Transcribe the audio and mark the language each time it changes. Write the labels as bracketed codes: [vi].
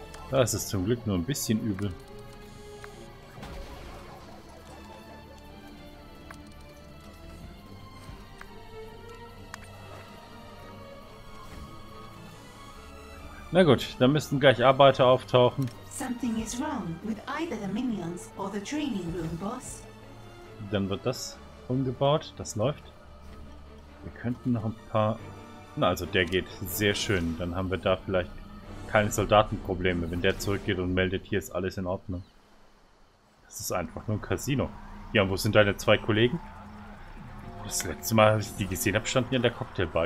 [de] Das ist zum Glück nur ein bisschen übel. Na gut, da müssten gleich Arbeiter auftauchen. [en] Something is wrong with either the minions or the training room, boss. [de] Dann wird das umgebaut, das läuft. Wir könnten noch ein paar... Na also, der geht sehr schön. Dann haben wir da vielleicht keine Soldatenprobleme, wenn der zurückgeht und meldet, hier ist alles in Ordnung. Das ist einfach nur ein Casino. Ja, und wo sind deine zwei Kollegen? Das letzte Mal, als ich die gesehen habe, standen die an der Cocktailbar.